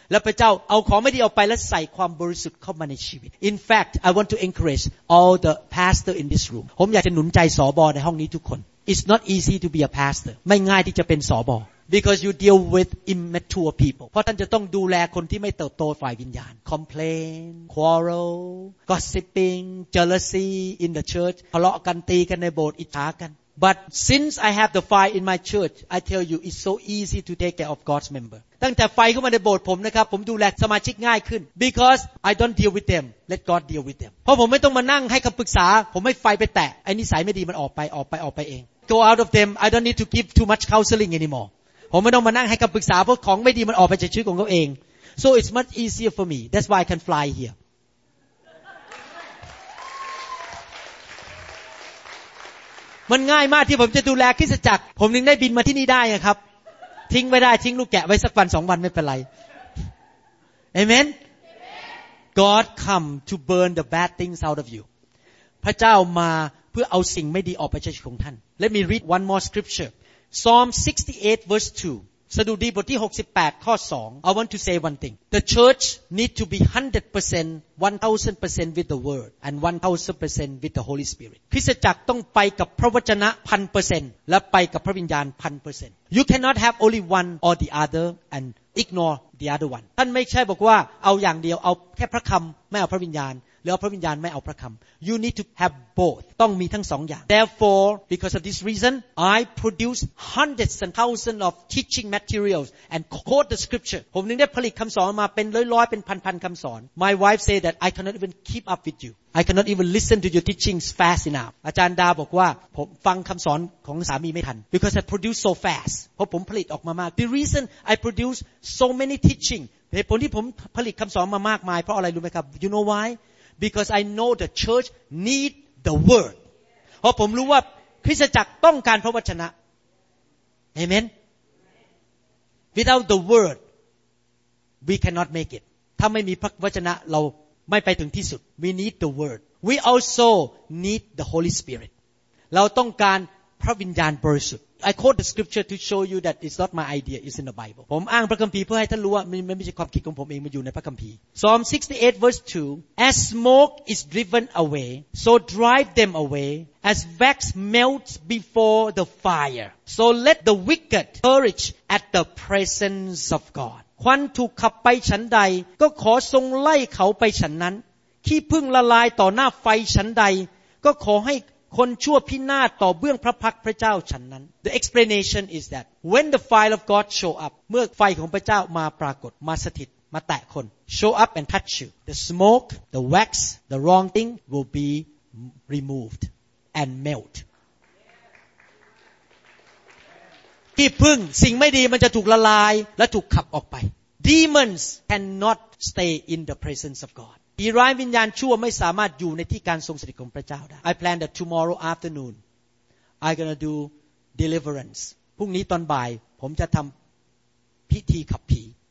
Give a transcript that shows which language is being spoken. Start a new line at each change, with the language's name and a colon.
Thai: และพระเจ้าเอาของไม่ดีออกไปและใส่ความบริสุทธิ์เข้ามาในชีวิต
English: In fact, I want to encourage all the pastors in this room.
Thai: ผมอยากจะหนุนใจสบในห้องนี้ทุกคน
English: It's not easy to be a pastor.
Thai: ไม่ง่ายที่จะเป็นสบ
English: อ Because you deal with immature people.
Thai: เพราะท่านจะต้องดูแลคนที่ไม่เติบโตฝ่ายวิญญาณ
English: Complain, quarrel, gossiping, jealousy in the church.
Thai: ทะเลาะกันตีกันในโบสถ์อิจฉากัน
English: But since I have the fire in my church, I tell you, it's so easy to take care of God's member.
Thai: ตั้งแต่ไฟเข้ามาในโบสถ์ผมนะครับผมดูแลสมาชิกง่ายขึ้น
English: Because I don't deal with them. Let God deal with them.
Thai: เพราะผมไม่ต้องมานั่งให้คำปรึกษาผมไม่ไฟไปแตะไอ้นิสัยไม่ดีมันออกไปเอง
English: Go out of them. I don't need to give too much counseling anymore.
Thai: ผมไม่ต้องมานั่งให้คำปรึกษาเพราะของไม่ดีมันออกไปจากชีวิตของเขาเอง
English: So it's much easier for me. That's why I can fly here.
Thai: มันง่ายมากที่ผมจะดูแลคริสตจักรผมถึงได้บินมาที่นี่ได้ครับทิ้งไม่ได้ทิ้งลูกแกะไว้สักวันสองวันไม่เป็นไร
English: Amen. God come to burn the bad things out of you.
Thai: พระเจ้ามาเพื่อเอาสิ่งไม่ดีออกไปจากชีวิตของท่าน
English: Let me read one more scripture. Psalm 68 verse 2.
Thai: สดุดีบทที่68ข้อ2.
English: I want to say one thing. The church need to be 100%, 1000% with the word and 1000% with the Holy Spirit.
Thai: คริสตจักรต้องไปกับพระวจนะ 100% และไปกับพระวิญญาณ 100%.
English: You cannot have only one or the other and ignore the other one.
Thai: ท่านไม่ใช่บอกว่าเอาอย่างเดียวเอาแค่พระคำไม่เอาพระวิญญาณหรือเอาพระวิญญาณไม่เอาพระคำ
English: You need to have both
Thai: ต้องมีทั้งสองอย่าง
English: Therefore because of this reason I produce hundreds and thousands of teaching materials and quote the scripture
Thai: ผมถึงได้ผลิตคำสอนมาเป็นร้อยๆเป็นพันๆคำสอน
English: My wife say that I cannot even keep up with you I cannot even listen to your teachings fast enough
Thai: อาจารย์ดาบอกว่าผมฟังคำสอนของสามีไม่ทัน
English: because I produce so fast
Thai: เพราะผมผลิตออกมามาก
English: The reason I produce so many teaching
Thai: เหตุผลที่ผมผลิตคำสอนมามากมายเพราะอะไรรู้ไหมครับ
English: You know whyBecause I know the church need the word.
Thai: เพราะผมรู้ว่าคริสตจักรต้องการพระวจนะ Amen.
English: Without the word, we cannot make it.
Thai: ถ้าไม่มีพระวจนะเราไม่ไปถึงที่สุด
English: We need the word. We also need the Holy Spirit.
Thai: เราต้องการพระวิญญาณบริสุทธิ์
English: I quote the scripture to show you that it's not my idea. It's in the Bible.
Thai: ผมอ้างพระคัมภีร์เพื่อให้ท่านรู้ว่ามันไม่ใช่ความคิดของผมเองมันอยู่ในพระคัมภีร์
English: Psalm 68 verse 2 As smoke is driven away, so drive them away. As wax melts before the fire, so let the wicked perish at the presence of God.
Thai: ควันถูกขับไปฉันใดก็ขอทรงไล่เขาไปฉันนั้นขี้ผึ้งละลายต่อหน้าไฟฉันใดก็ขอใหคนชั่วพินาศต่อเบื้องพระพักตร์พระเจ้าฉันนั้น
English: The explanation is that when the fire of God show up
Thai: เมื่อไฟของพระเจ้ามาปรากฏมาสถิตมาแตะคน
English: show up and touch you the smoke the wax the wrong thing will be removed and melt
Thai: กี่พึ่งสิ่งไม่ดีมันจะถูกละลายและถูกขับออกไป
English: Demons cannot stay in the presence of God
Thai: ผีร้ายวิญญาณชั่วไม่สามารถอยู่ในที่การทรงสถิตของพระเจ้าได้
English: I plan that tomorrow afternoon I'm going to do deliverance
Thai: พรุ่งนี้ตอนบ่ายผมจะทำพิธีขับผี